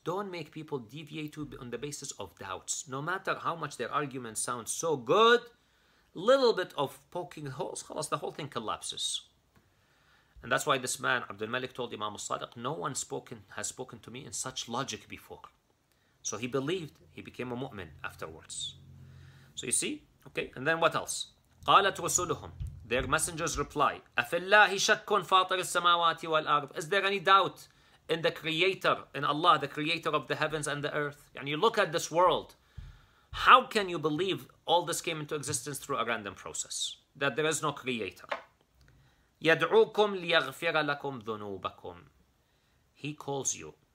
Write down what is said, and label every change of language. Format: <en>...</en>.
<en>Don't make people deviate on the basis of doubts. No matter how much their argument sounds so good, little bit of poking holes, khalas, the whole thing collapses. And that's why this man, Abdul Malik, told Imam al-Sadiq, no one has spoken to me in such logic before. So he believed, he became a mu'min afterwards. So you see, okay, and then what else?</en> <ar>قَالَتْ رُسُلُهُمْ.</ar> <en>Their messengers reply,</en> <ar>أَفِاللَّهِ شَكٌّ فَاطِرِ السَّمَاوَاتِ وَالْأَرْضِ.</ar> <en>Is there any doubt in the creator, in Allah, the creator of the heavens and the earth? And you look at this world, how can you believe all this came into existence through a random process? that there is no creator.</en> <ar>يَدْعُوكُمْ لِيَغْفِرَ لَكُمْ ذُنُوبَكُمْ.</ar> <en>He calls you.</en>